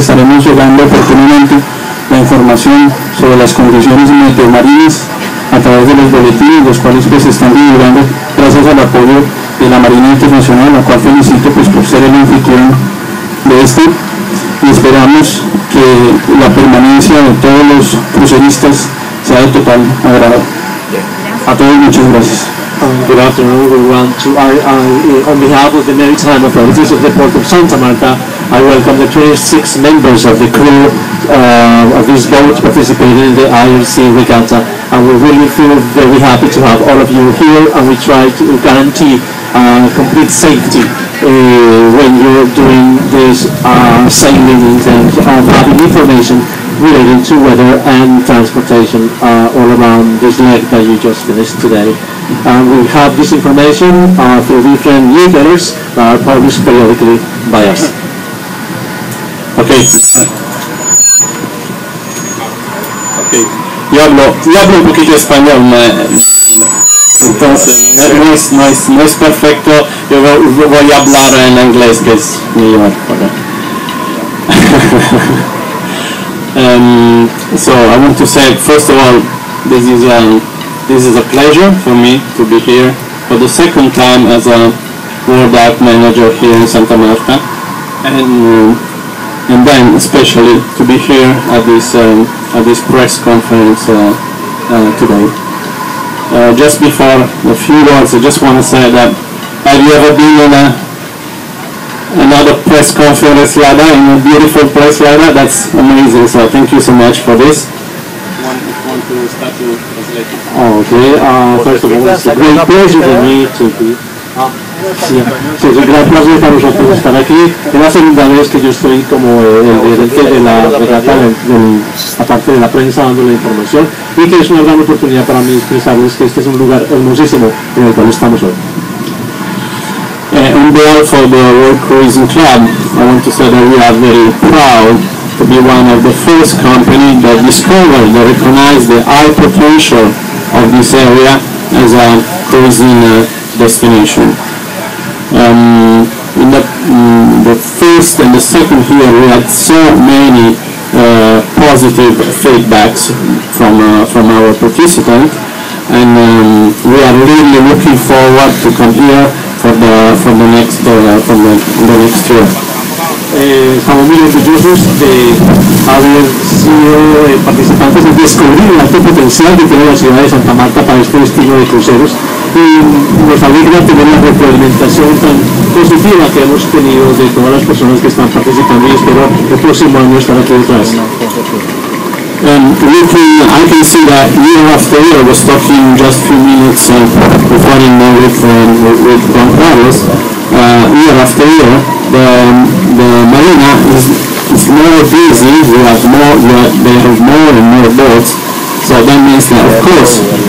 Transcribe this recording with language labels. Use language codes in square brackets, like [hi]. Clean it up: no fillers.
[es] Estaremos llegando oportunamente la información sobre las condiciones meteomarinas a través de los boletines, los cuales pues están vibrando gracias al apoyo de la Marina Internacional, la cual felicito pues por ser el anfitrión de este. Y esperamos que la permanencia de todos los cruceristas sea de total agrado. A todos muchas gracias. [en] Good afternoon, everyone. On behalf of the Maritime Authorities of the Port of Santa Marta, I welcome the 26 members of the crew of this boat participating in the IRC Regatta. And we really feel very happy to have all of you here, and we try to guarantee complete safety when you're doing this sailing in terms of having information relating to weather and transportation all around this leg that you just finished today. We have this information through different newsletters that are published periodically by us. Okay. Okay. [es] Yo hablo un poquito español, entonces no es perfecto. Yo voy a hablar en inglés, que es mejor. [en] Okay. So I want to say, first of all, this is a pleasure for me to be here for the second time as a World Art Manager here in Santa Marta, and then especially to be here at this press conference today. Just before a few words, I just want to say that, have you ever been in another press conference like that, in a beautiful place like that? That's amazing, so thank you so much for this. One to start to translate. Okay, first of all, it's a great pleasure for me to be. [es] Sí, es un gran placer para nosotros estar aquí. Es la segunda vez que yo estoy como el gerente de la regata, aparte de la prensa, dando la información. Y que es una gran oportunidad para mí expresarles que este es un lugar hermosísimo en el cual estamos hoy. [en] On behalf of the World Cruising Club, I want to say that we are very proud to be one of the first companies that discovered and recognized the high potential of this area as a cruising destination. In the first and the second year, we had so many positive feedbacks from our participants, and we are really looking forward to come here for the next year. [es] Estamos muy orgullosos de haber sido participantes en descubrir el alto potencial que tiene la ciudad de Santa Marta para este destino de cruceros. Y nos alegra tener la retroalimentación tan positiva que hemos tenido de todas las personas que están participando, y espero el próximo año estar aquí detrás. [en] I can see that year after year, I was talking just a few minutes before I met with Juan Carlos, year after year, the marina is more busy, they have more and more boats, so that means that, of course,